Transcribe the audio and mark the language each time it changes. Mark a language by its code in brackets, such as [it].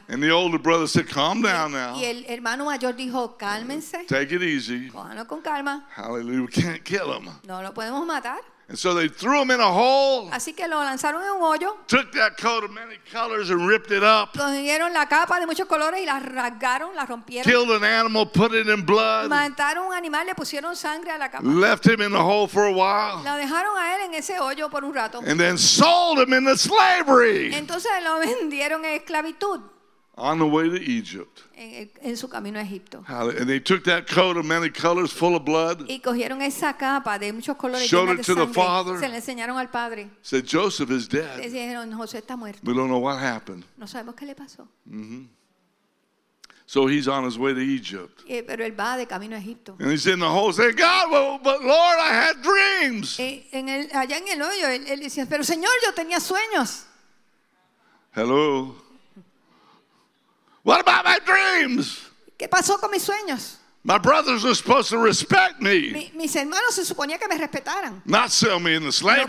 [en] And the older brother said, calm down now. [es] Y el hermano mayor dijo, cálmense. [en] Take it easy. [es] Cójanlo con calma. [en] Hallelujah. We can't kill him. [es] No lo podemos matar. [en] And so they threw him in a hole. [es] Así que lo lanzaron en un hoyo. [en] Took that coat of many colors and ripped it up. [es] Cogieron la capa de muchos colores y la rasgaron, la rompieron. [en] Killed an animal, put it in blood. [es] Mataron un animal, le pusieron sangre a la capa. [en] Left him in the hole for a while. [es] Lo dejaron a él en ese hoyo por un rato. [en] And then sold him into slavery. [es] Entonces lo vendieron en esclavitud. [en] On the way to Egypt. [es] En su camino a Egipto. [en] And they took that coat of many colors full of blood. [es] Y cogieron esa capa de muchos colores. [en] Showed [es] llena [en] it [es] de [en] to [es] sangre, [en] the father. [es] Se le enseñaron al padre. [en] Said Joseph is dead. [es] Le dijeron, José está muerto. [en] We don't know what happened. [es] No sabemos qué le pasó. [en] Mm-hmm. So he's on his way to Egypt. [es] Pero él va de camino a Egipto. [en] And he's in the hole saying, God, but Lord, I had dreams. [es] Allá en el hoyo, él decía, pero Señor, yo tenía sueños. [en] Hello. What about my dreams? [es] ¿Qué pasó con mis sueños? [en] My brothers were supposed to respect me. [es] Mis hermanos se suponía que me respetaran. [en] Not sell me into slavery.